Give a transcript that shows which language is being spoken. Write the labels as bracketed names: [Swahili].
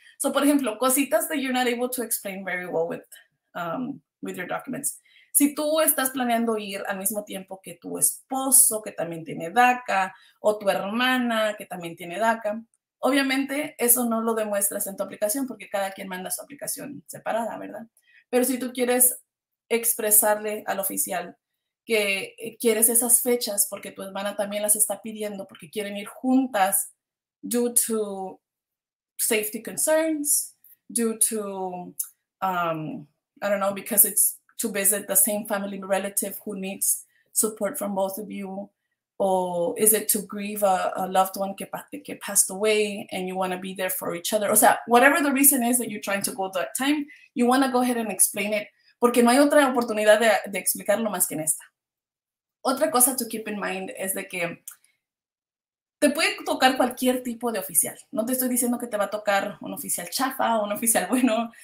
[English] So, [Spanish] por ejemplo, cositas [English] that you're not able to explain very well with your documents. [Spanish] Si tú estás planeando ir al mismo tiempo que tu esposo, que también tiene DACA, o tu hermana, que también tiene DACA, obviamente eso no lo demuestras en tu aplicación porque cada quien manda su aplicación separada, ¿verdad? Pero si tú quieres expresarle al oficial que quieres esas fechas porque tu hermana también las está pidiendo porque quieren ir juntas [English] due to safety concerns, due to, I don't know, because it's to visit the same family relative who needs support from both of you, or is it to grieve a loved one [Spanish] que [English] passed away and you want to be there for each other. [Spanish] O sea, [English] whatever the reason is that you're trying to go that time, you want to go ahead and explain it. [Spanish] Porque no hay otra oportunidad de explicarlo más que en esta. Otra cosa [English] to keep in mind [Spanish] es de que te puede tocar cualquier tipo de oficial. No te estoy diciendo que te va a tocar un oficial chafa o un oficial bueno.